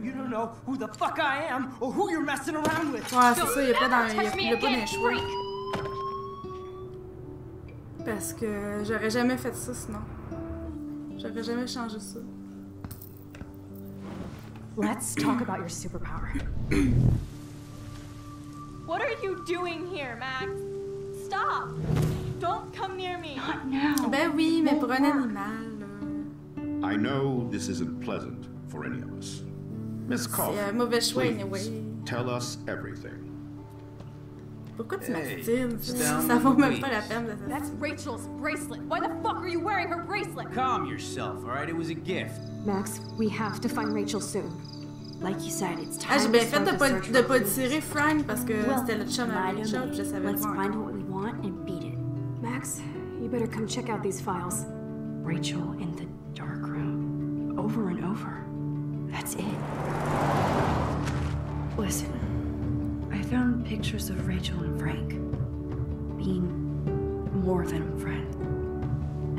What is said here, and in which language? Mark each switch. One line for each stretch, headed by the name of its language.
English: You don't know who the fuck I am or who you're messing around with.
French: Ouais, c'est ça, y'a pas dans les choix. Parce que j'aurais jamais fait ça sinon. J'aurais jamais changé ça.
English: Let's talk about your superpower. What are you doing here, Max? Stop! Don't come near me. Not now.
French: Ben oui, mais pour un animal.
English: I know this isn't pleasant for any of us. Miss Coffin,
French: c'est un mauvais choix,
English: please, anyway. Tell us everything.
French: Pourquoi tu m'assistes? Ça vaut même pas la peine de...
English: That's Rachel's bracelet. Why the fuck are you wearing her bracelet? Calm yourself, all right? It was a gift. Max, we have to find Rachel soon. Like you said, it's time.
French: Ah, j'ai bien fait de pas tirer Frank parce que c'était le chum à Rachel, je savais pas.
English: Let's find what we want and beat it. Max, you better come check out these files. Rachel in the dark room, over and over. That's it. Listen, I found pictures of Rachel and Frank being more than a friend.